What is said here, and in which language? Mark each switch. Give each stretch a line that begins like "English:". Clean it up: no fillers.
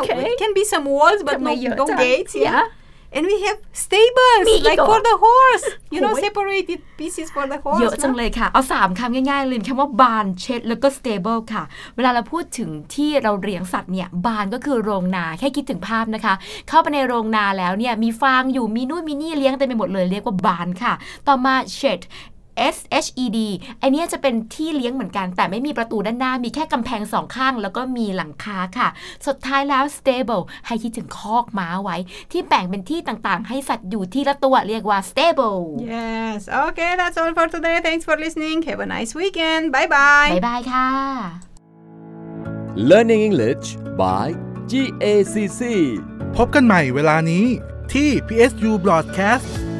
English: Okay. It can be some walls, but no gates, yeah? Yeah. And we have stables, like for the horse. You know, separated pieces for the horse.
Thai: เยอะจังเลยค่ะเอาสามคำง่ายๆเลยคำว่าบาร์นเชดแล้วก็ stable ค่ะเวลาเราพูดถึงที่เราเลี้ยงสัตว์เนี่ยบาร์นก็คือโรงนาแค่คิดถึงภาพนะคะเข้าไปในโรงนาแล้วเนี่ยมีฟางอยู่มีนู่นมีนี่เลี้ยงเต็มไปหมดเลยเรียกว่าบาร์นค่ะต่อมาเชดSHED อันนี้จะเป็นที่เลี้ยงเหมือนกันแต่ไม่มีประตูด้านหน้ามีแค่กำแพงสองข้างแล้วก็มีหลังคาค่ะสุดท้ายแล้ว stable ให้คิดถึงคอกม้าไว้ที่แบ่งเป็นที่ต่างๆให้สัตว์อยู่ที่ละตัวเรียกว่า stable
English: yes okay that's all for today thanks for listening have a nice weekend bye bye bye bye ค่ะ learning English by GACC
Thai: พบกันใหม่เวลานี้ที่ PSU Broadcast